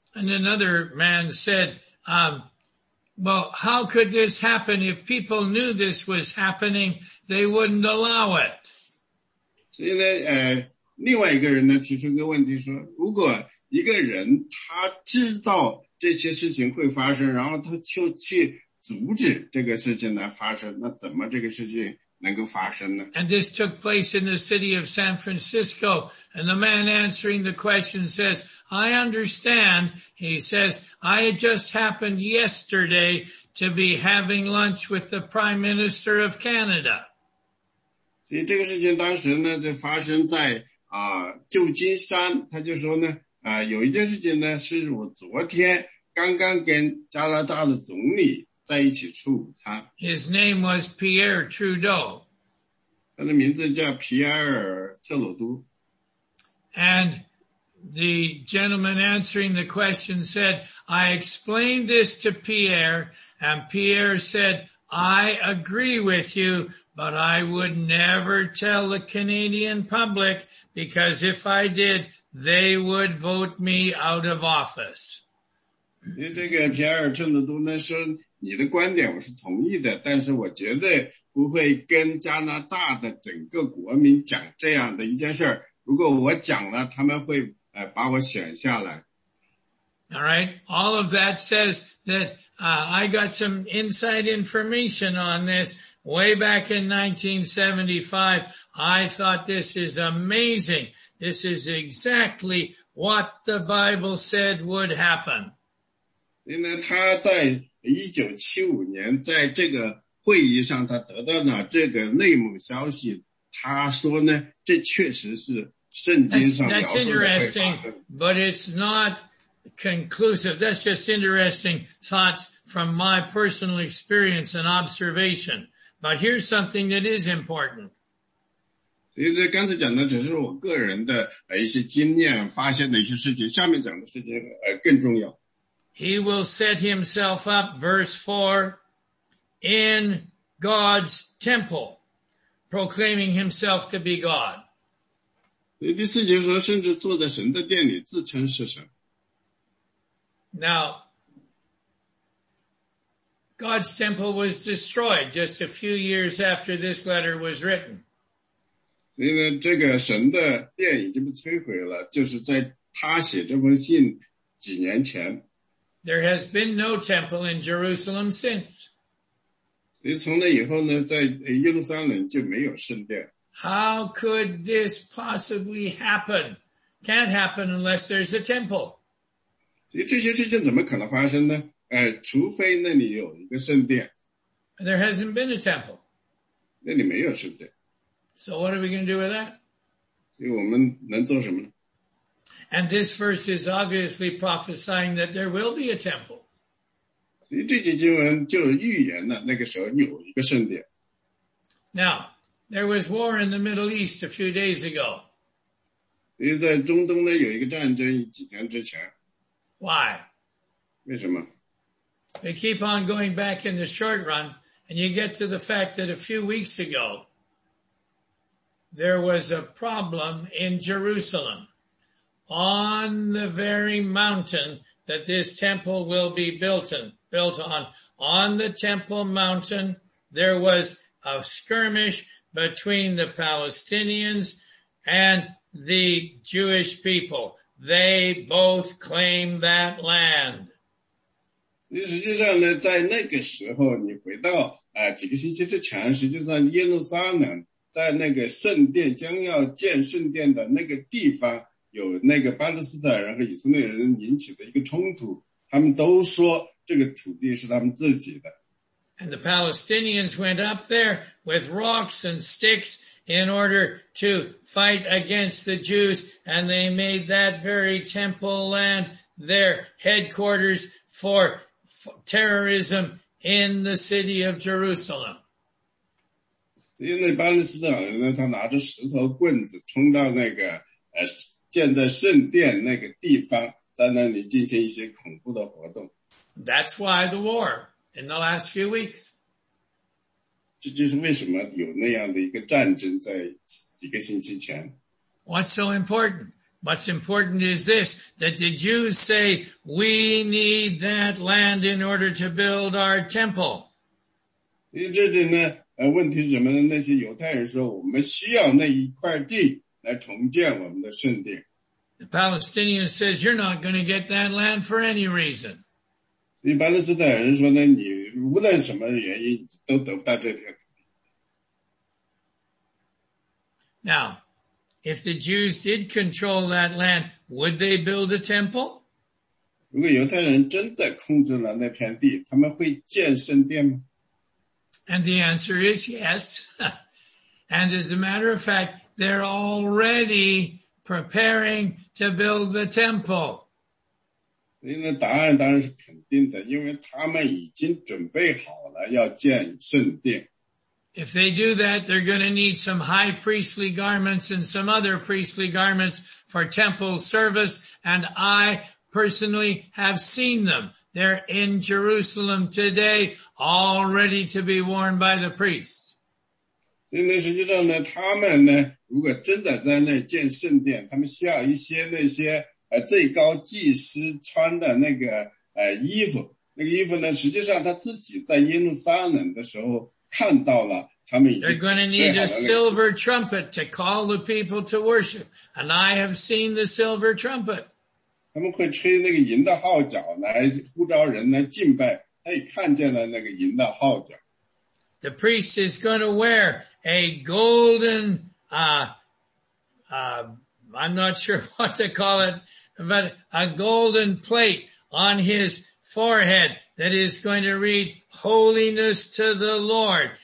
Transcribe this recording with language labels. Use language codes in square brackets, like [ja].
[en] And another man said, well, how could this happen? If people knew this was happening, they wouldn't allow it. [zh] 所以呢另外一个人呢提出一个问题，说如果一个人他知道这些事情会发生，然后他就去阻止这个事情来发生，那怎么这个事情能够发生呢？ [en] And this took place in the city of San Francisco. And the man answering the question says, I understand. He says, I just happened yesterday to be having lunch with the Prime Minister of Canada. [zh] 所以这个事情当时呢就发生在旧金山。他就说呢有一件事情呢是我昨天刚刚跟加拿大的总理在一起吃午餐。 [en] His name was Pierre Trudeau. [zh] 他的名字叫皮埃尔·特鲁多。 [en] And the gentleman answering the question said, I explained this to Pierre, and Pierre said, I agree with you, but I would never tell the Canadian public, because if I did, they would vote me out of office. [zh] 因为这个皮埃尔·特鲁多呢说，你的观点我是同意的，但是我绝对不会跟加拿大的整个国民讲这样的一件事，如果我讲了他们会把我选下来。 [en] Alright, all of that says that I got some inside information on this way back in 1975. I thought this is amazing. This is exactly what the Bible said would happen. [zh] 因为他在1975年在这个会议上他得到了这个内幕消息，他说呢这确实是圣经上描述的。 [en] That's interesting, but it's not conclusive. That's just interesting thoughts from my personal experience and observation. But here's something that is important. [zh] 所以这刚才讲的只是我个人的一些经验发现的一些事情，下面讲的事情更重要。 [en] He will set himself up, verse 4, in God's temple, proclaiming himself to be God. [zh] 第四节说，甚至坐在神的殿里，自称是神。 [en] Now, God's temple was destroyed just a few years after this letter was written. [zh] 因为这个神的殿已经被摧毁了，就是在他写这封信几年前。 [en] There has been no temple in Jerusalem since. [zh] 所以从那以后呢，在耶路撒冷就没有圣殿。 [en] How could this possibly happen? Can't happen unless there's a temple. [zh] 所以这些事情怎么可能发生呢？除非那里有一个圣殿。 [en] And there hasn't been a temple. [zh] 那里没有圣殿。 [en] So what are we going to do with that? [zh] 所以我们能做什么呢？ [en] And this verse is obviously prophesying that there will be a temple. [zh] 所以这节经文就预言了那个时候有一个圣殿。 [en] Now, there was war in the Middle East a few days ago. [zh] 因为在中东呢有一个战争几天之前。 [en] Why? [zh] 为什么? [en] They keep on going back in the short run, and you get to the fact that a few weeks ago, there was a problem in Jerusalem. On the very mountain that this temple will be built on. On the temple mountain, there was a skirmish between the Palestinians and the Jewish people. They both claim that land. [zh] 实际上呢，在那个时候，你回到几个星期之前，实际上耶路撒冷在那个圣殿将要建圣殿的那个地方有那个巴勒斯坦人和以色列人引起的一个冲突，他们都说这个土地是他们自己的。 [en] And the Palestinians went up there with rocks and sticks in order to fight against the Jews, and they made that very temple land their headquarters for terrorism in the city of Jerusalem. [zh] 因为巴勒斯坦人呢，他拿着石头棍子冲到那个建在圣殿那个地方，在那里进行一些恐怖的活动。 [en] That's why the war in the last few weeks. [zh] 这就是为什么有那样的一个战争在几个星期前。 [en] What's so important? What's important is this, that the Jews say, we need that land in order to build our temple. [zh] 因为这里呢问题是什么呢？那些犹太人说，我们需要那一块地来重建我们的圣殿。 [en] The Palestinian says, you're not going to get that land for any reason. [zh] 所以巴勒斯坦人说呢，你无论什么原因都得不到这片土地。 [en] Now, if the Jews did control that land, would they build a temple? [zh] 如果犹太人真的控制了那片地，他们会建圣殿吗？ [en] And the answer is yes. And as a matter of fact, they're already preparing to build the temple. [zh] 因为答案当然是肯定的，因为他们已经准备好了要建圣殿。 [en] If they do that, they're going to need some high priestly garments and some other priestly garments for temple service. And I personally have seen them. They're in Jerusalem today, all ready to be worn by the priests. [zh] 所以实际上呢，他们呢，如果真的在那建圣殿，他们需要一些那些最高祭司穿的那个衣服。那个衣服呢，实际上他自己在耶路撒冷的时候看到了，他们已经 [en] They're going to need a silver trumpet to call the people to worship, and I have seen the silver trumpet. [zh] 他们会吹那个银的号角来呼召人来敬拜，他也看见了那个银的号角。 [en] The priest is going to wear a golden, I'm not sure what to call it, but a golden plate on his forehead that is going to read "Holiness to the Lord."